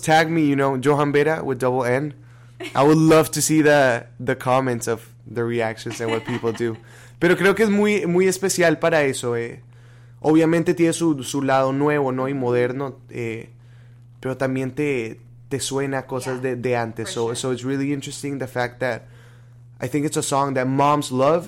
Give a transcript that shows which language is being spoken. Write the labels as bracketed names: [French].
[English] Tag me, you know, Johan Vera with double N. I would love to see the comments of the reactions and what people do. [Spanish] Pero creo que es muy, muy especial para eso. Obviamente tiene su lado nuevo, ¿no? Y moderno. Pero también te suena cosas de antes. [English] For sure. So it's really interesting the fact that I think it's a song that moms love.